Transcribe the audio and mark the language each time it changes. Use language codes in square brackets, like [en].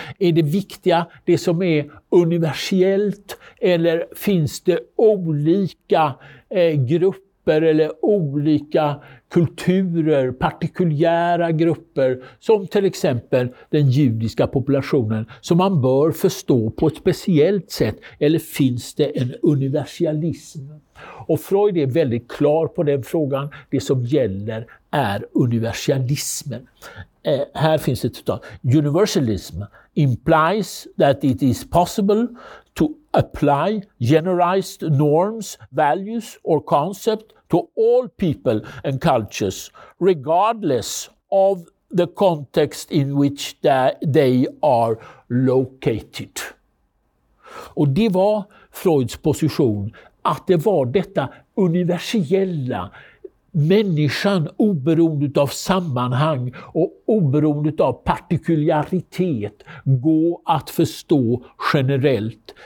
[sv] Är det viktiga det som är universellt, eller finns det olika grupper eller olika kulturer, partikulära grupper som till exempel den judiska populationen som man bör förstå på ett speciellt sätt, eller finns det en universalism? Och Freud är väldigt klar på den frågan. Det som gäller är universalismen. Här finns ett uttal. [en] Universalism implies that it is possible to apply generalized norms, values or concept to all people and cultures, regardless of the context in which they are located. [sv] Och det var Freuds position, att det var detta universella, människan oberoende av sammanhang och oberoende av partikularitet, går att förstå generellt.